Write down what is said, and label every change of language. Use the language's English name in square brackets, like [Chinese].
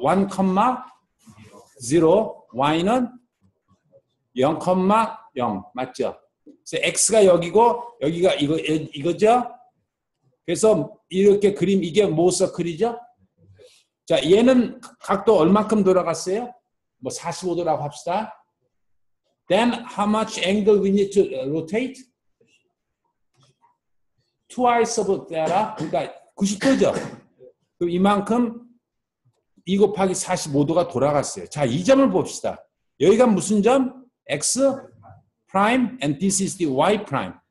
[Korean] 1, 0, y는 0, 0. 맞죠? 그래서 x가 여기고 여기가 이거죠? 그래서 이렇게 그림 이게 모서클이죠? 자, 얘는 각도 얼마큼 돌아갔어요? 뭐 45도라고 합시다. [English] Then how much angle we need to rotate? Twice of that. [Korean] 그러니까 90도죠. 그럼 이만큼 2 곱하기 45도가 돌아갔어요. 자, 이 점을 봅시다. 여기가 무슨 점? [English] X prime and this is the Y prime.